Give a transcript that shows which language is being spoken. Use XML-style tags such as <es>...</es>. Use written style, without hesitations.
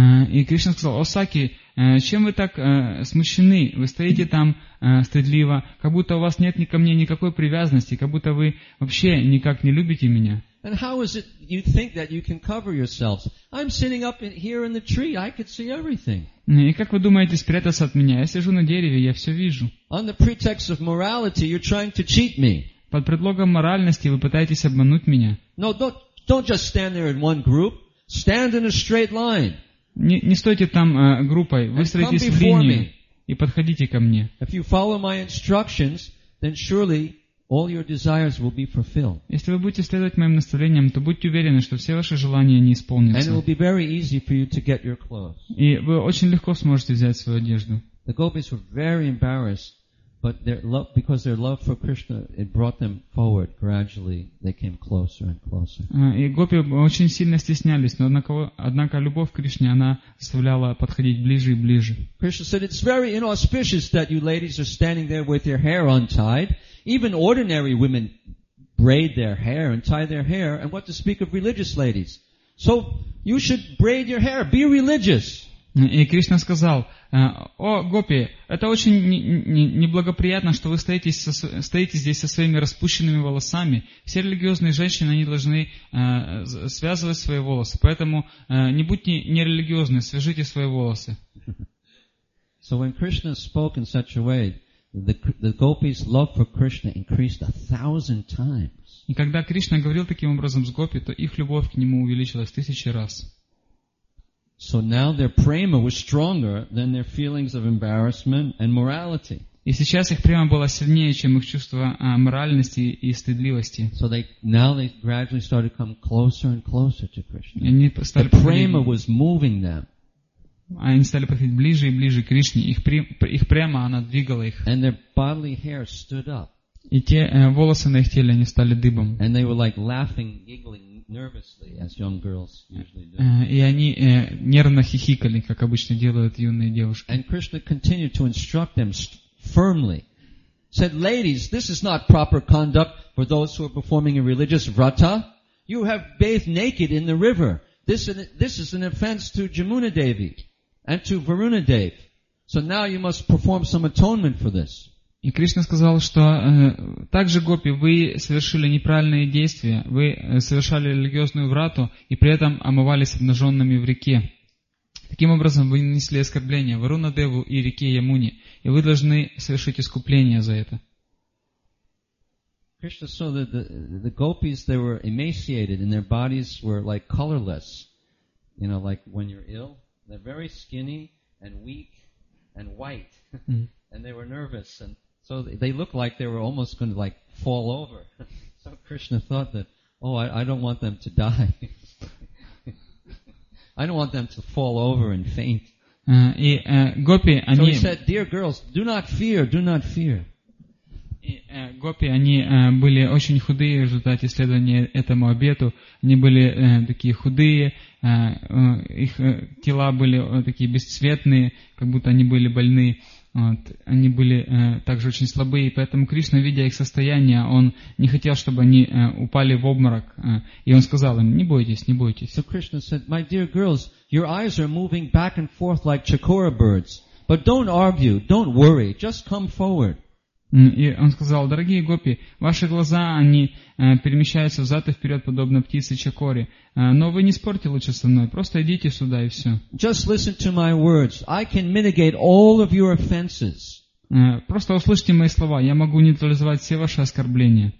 <ru>И Кришна сказал: "О Саки, чем вы так смущены? Вы стоите там стыдливо, как будто у вас нет ни ко мне никакой привязанности, как будто вы вообще никак не любите меня."</ru> <en>And how is it you think that you can cover yourselves? I'm sitting up here in the tree. I could see everything.</en> <ru>И как вы думаете спрятаться от меня? Я сижу на дереве, я все вижу.</ru> <en>On the pretext of morality, you're trying to cheat me.</en> <ru>Под предлогом моральности вы пытаетесь обмануть меня.</ru> <en>No, don't just stand there in one group. Stand in a straight line.</en> <ru>Не стойте там группой, выстроитесь в линию и подходите ко мне.</ru> <en>If you follow my instructions, then surely all your desires will be fulfilled.</en> <ru>Если вы будете следовать моим наставлениям, то будьте уверены, что все ваши желания не исполнятся.</ru> <en>And it will be very easy for you to get your clothes.</en> <ru>И вы очень легко сможете взять свою одежду.</ru> <en>The gopis were very embarrassed, but because their love for Krishna, it brought them forward. Gradually, they came closer and closer.</en> <ru>И гопи очень сильно стеснялись, но однако любовь к Кришне она заставляла подходить ближе и ближе.</ru> <en>Krishna said, "It's very inauspicious that you ladies are standing there with your hair untied. Even ordinary women braid their hair and tie their hair, and what to speak of religious ladies? So you should braid your hair. Be religious."</en> <ru>И Кришна сказал: «О, гопи, это очень неблагоприятно, что вы стоите здесь со своими распущенными волосами. Все религиозные женщины, они должны связывать свои волосы. Поэтому не будьте нерелигиозны, свяжите свои волосы».</ru> <en>So when Krishna spoke in such a way, the gopis' love for Krishna increased 1,000 times.</en> <ru>И когда Кришна говорил таким образом с гопи, то их любовь к нему увеличилась 1,000 раз.</ru> <en>So now their prema was stronger than their feelings of embarrassment and morality.</en> <ru>И сейчас их према была сильнее, чем их чувство моральности и стыдливости.</ru> <en>So they gradually started to come closer and closer to Krishna.</en> <ru>Они стали</ru> <en>prema was moving them.</en> <ru>Они стали подходить ближе и ближе к Кришне. Их према она двигала их.</ru> <en>And their bodily hair stood up.</en> <ru>И те волосы на их теле они стали дыбом.</ru> <en>And they were like laughing, giggling. Nervously, as young girls usually do.</en> <ru>И они нервно хихикали, как обычно делают юные девушки.</ru> <en>And Krishna continued to instruct them firmly. Said, "Ladies, this is not proper conduct for those who are performing a religious vrata. You have bathed naked in the river. This is an offense to Jamuna Devi and to Varuna Devi. So now you must perform some atonement for this."</en> <ru>И Кришна сказал, что также, гопи, вы совершили неправильные действия, вы совершали религиозную врату и при этом омывались обнаженными в реке. Таким образом, вы нанесли оскорбление Варуна Деву и реке Ямуне, и вы должны совершить искупление за это.</ru> <en>Кришна saw that the gopis, they were emaciated and their bodies were like colorless. You know, like when you're ill, they're very skinny and weak and white. And they were nervous, and so they looked like they were almost going to like fall over. So Krishna thought that, oh, I don't want them to die. I don't want them to fall over and faint.</en> <ru>Гопи, они...</ru> <en>So he said, "Dear girls, do not fear, do not fear."</en> <ru>Гопи, они были очень худые в результате исследования этому обету. Они были такие худые, их тела были такие бесцветные, как будто они были больны. Вот. Они были также очень слабые, и поэтому Кришна, видя их состояние, он не хотел, чтобы они упали в обморок, и он сказал им: "Не бойтесь, не бойтесь".</ru> <en>So Krishna said, "My dear girls, your eyes are moving back and forth like chakora birds, but don't argue, don't worry, just come forward."</en> <ru>И он сказал: "Дорогие гопи, ваши глаза, они перемещаются взад и вперед, подобно птице чакоре. Но вы не спорьте лучше со мной, просто идите сюда и все.</ru> <en>Just listen to my words. I can mitigate all of your offenses.</en> <ru>Просто услышьте мои слова, я могу нейтрализовать все ваши оскорбления.</ru>